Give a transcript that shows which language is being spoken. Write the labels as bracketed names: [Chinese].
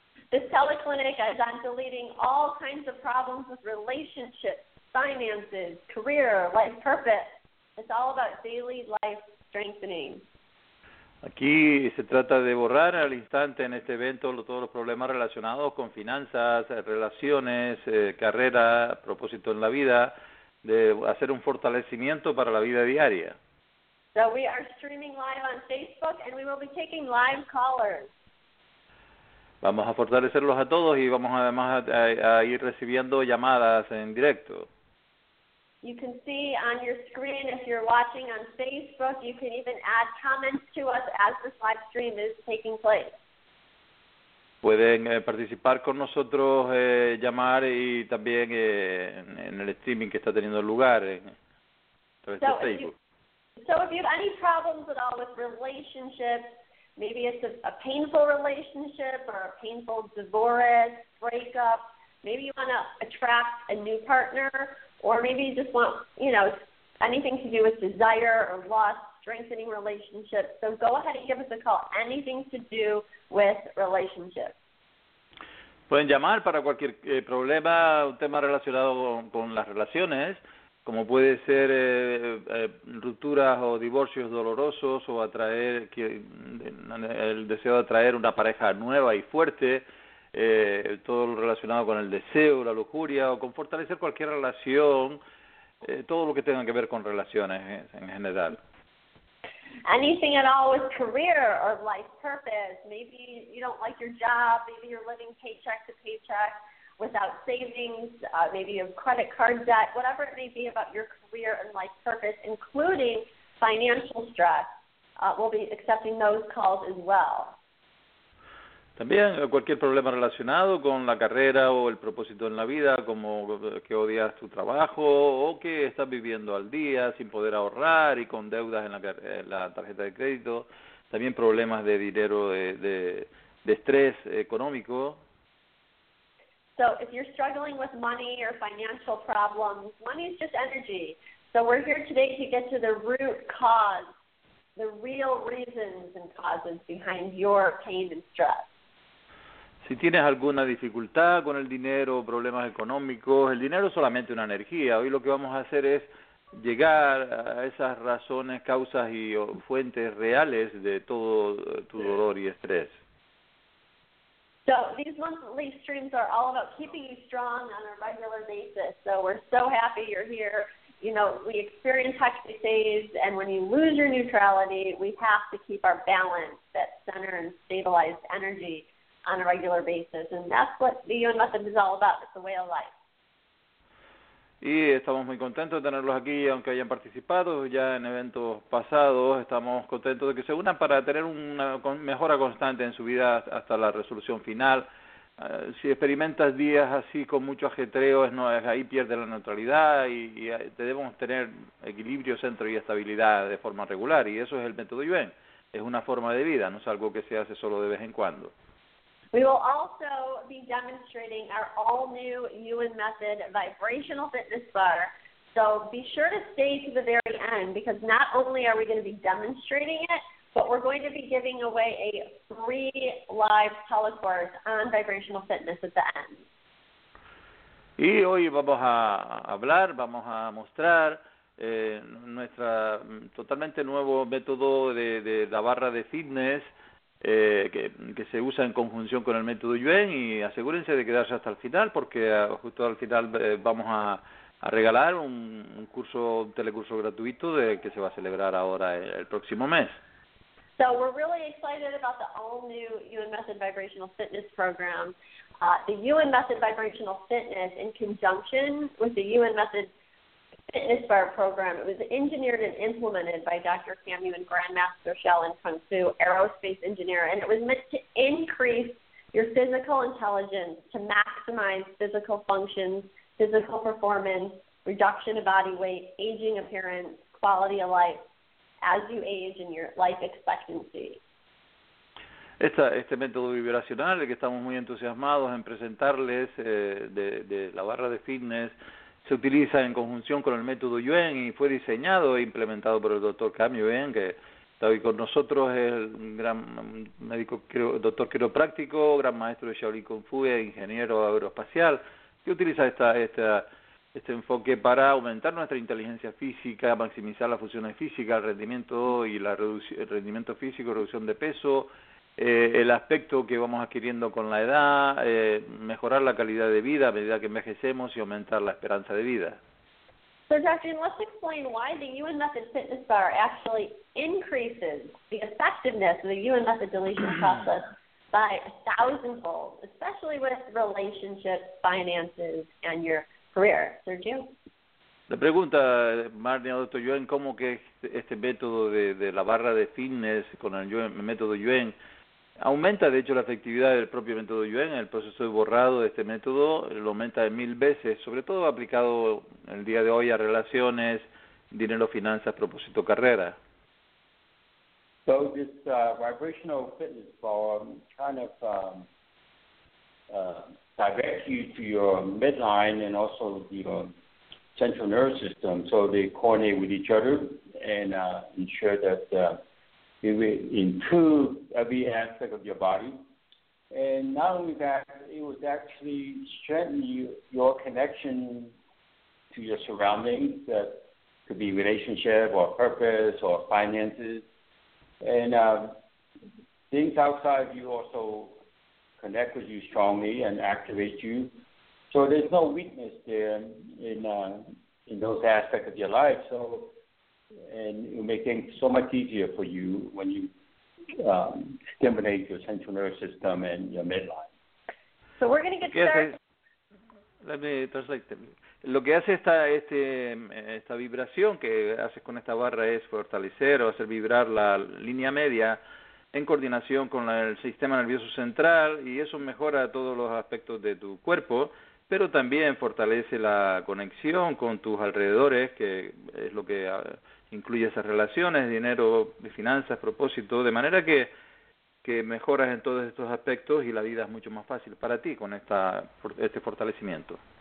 [English] This teleclinic is on deleting all kinds of problems with relationships, finances, career, life purpose. It's all about daily life strengthening. [Spanish] Aquí se trata de borrar al instante en este evento todos los problemas relacionados con finanzas, relaciones, carrera, propósito en la vida, de hacer un fortalecimiento para la vida diaria. [English] So we are streaming live on Facebook and we will be taking live callers. [Spanish] Vamos a fortalecerlos a todos y vamos además a ir recibiendo llamadas en directo. [English] You can see on your screen, if you're watching on Facebook, you can even add comments to us as this live stream is taking place. [Spanish] Pueden participar con nosotros, llamar y también en el streaming que está teniendo lugar a través de Facebook. [English] So if you have any problems at all with relationships, maybe it's a painful relationship or a painful divorce, breakup, maybe you want to attract a new partner, or maybe you just want, you know, anything to do with desire or lust, strengthening relationships. So go ahead and give us a call, anything to do with relationships. [Spanish] Pueden llamar para cualquier problema, un tema relacionado con las relaciones, como puede ser rupturas o divorcios dolorosos o atraer el deseo de atraer una pareja nueva y fuerte, todo lo relacionado con el deseo, la lujuria o con fortalecer cualquier relación, todo lo que tenga que ver con relaciones en general. [English] Anything at all with career or life purpose. Maybe you don't like your job, maybe you're living paycheck to paycheck without savings, maybe you have credit card debt, whatever it may be about your career and life purpose, including financial stress, we'll be accepting those calls as well. [Spanish] También cualquier problema relacionado con la carrera o el propósito en la vida, como que odias tu trabajo o que estás viviendo al día sin poder ahorrar y con deudas en la tarjeta de crédito, también problemas de dinero, de estrés económico. [English] So if you're struggling with money or financial problems, money is just energy. So we're here today to get to the root cause, the real reasons and causes behind your pain and stress. [Spanish] Si tienes alguna dificultad con el dinero, problemas económicos, el dinero es solamente una energía. Hoy lo que vamos a hacer es llegar a esas razones, causas y fuentes reales de todo tu dolor y estrés. [English] So these monthly streams are all about keeping you strong on a regular basis. So we're so happy you're here. You know, we experience hectic days, and when you lose your neutrality, we have to keep our balance, that center and stabilized energy, on a regular basis. And that's what the Yuen Method is all about. It's a way of life. [Spanish] Y estamos muy contentos de tenerlos aquí, aunque hayan participado ya en eventos pasados. Estamos contentos de que se unan para tener una mejora constante en su vida hasta la resolución final. Si experimentas días así con mucho ajetreo, ahí pierdes la neutralidad y debemos tener equilibrio, centro y estabilidad de forma regular. Y eso es el método Yuen. es una forma de vida, no es algo que se hace solo de vez en cuando. [English] We will also be demonstrating our all-new Ewan Method Vibrational Fitness Bar. So be sure to stay to the very end, because not only are we going to be demonstrating it, but we're going to be giving away a free live telecourse on vibrational fitness at the end. [Spanish] Y hoy vamos a hablar, vamos a mostrar nuestra totalmente nuevo método de la barra de fitness que se usa en conjunción con el método Yuen, y asegúrense de quedarse hasta el final, porque justo al final vamos a regalar un curso, un telecurso gratuito de que se va a celebrar ahora el próximo mes. [English] So we're really excited about the all-new Ewan Method Vibrational Fitness Program. The Ewan Method Vibrational Fitness, in conjunction with the Ewan Method Fitness Bar Program, it was engineered and implemented by Dr. Cam Ewan, Grandmaster Shaolin Kung Fu aerospace engineer, and it was meant to increase your physical intelligence, to maximize physical functions, physical performance, reduction of body weight, aging appearance, quality of life, as you age in your life expectancy. [Spanish] Este método vibracional, que estamos muy entusiasmados en presentarles, de la barra de fitness, se utiliza en conjunción con el método Yuen y fue diseñado e implementado por el doctor Cam Yuen, que está hoy con nosotros, el gran médico, doctor quiropráctico, gran maestro de Shaolin Kung Fu e ingeniero aeroespacial, que utiliza este enfoque para aumentar nuestra inteligencia física, maximizar las funciones físicas, el rendimiento y el rendimiento físico, reducción de peso, el aspecto que vamos adquiriendo con la edad, mejorar la calidad de vida a medida que envejecemos y aumentar la esperanza de vida. [English] So, Dr. Ewan, let's explain why the Ewan Method Fitness Bar actually increases the effectiveness of the Ewan Method deletion process by a thousandfold, especially with relationships, finances, and your career. Sergio? [Spanish] La pregunta, Marnia, Dr. Ewan, ¿cómo que este método de la barra de fitness con el método Ewan aumenta, de hecho, la efectividad del propio método Yuen? El proceso de borrado de este método lo aumenta de 1,000 veces, sobre todo aplicado el día de hoy a relaciones, dinero, finanzas, propósito, carrera. [English] So this vibrational fitness ball kind of directs you to your midline and also your central nervous system, so they coordinate with each other and ensure that it will improve every aspect of your body. And not only that, it would actually strengthen your connection to your surroundings, that could be relationship or purpose or finances. And things outside of you also connect with you strongly and activate you. So there's no weakness there in those aspects of your life. So, and it will make things so much easier for you when you stimulate your central nervous system and your midline. So we're going to get started. Let me translate. [Spanish] Lo que hace esta vibración que haces con esta barra es fortalecer o hacer vibrar la línea media en coordinación con el sistema nervioso central, y eso mejora todos los aspectos de tu cuerpo, pero también fortalece la conexión con tus alrededores, que es lo que incluye esas relaciones, dinero, finanzas, propósito, de manera que mejoras en todos estos aspectos y la vida es mucho más fácil para ti con este fortalecimiento.